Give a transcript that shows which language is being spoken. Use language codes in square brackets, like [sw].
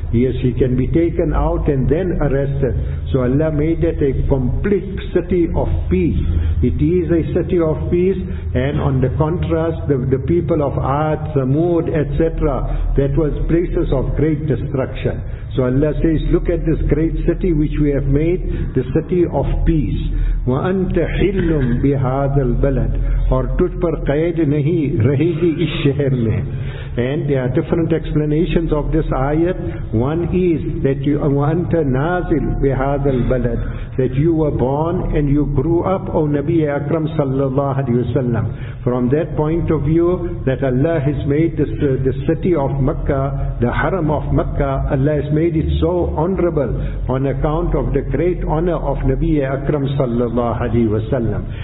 [en] Yes, he can be taken out and then arrested. So Allah made it a complete city of peace. It is a city of peace, and on the contrast, the people of Aad, Samud, etc., that was places of great destruction. So Allah says, look at this great city which we have made, the city of peace. [ar] وَأَنْتَ حِلُّمْ بِهَذَا الْبَلَدِ [ur] اور تُجھ پر قید نہیں رہے گی اس شہر میں. [en] And there are different explanations of this ayat. One is that you [ar] وَأَنْتَ نَازِلْ بِهَذَا الْبَلَدِ, [en] that you were born and you grew up, O Nabi Akram sallallahu alayhi wa sallam. From that point of view, that Allah has made the city of Makkah, the haram of Makkah, Allah has made it so honorable on account of the great honor of Nabi Akram sallallahu alayhi wa sallam.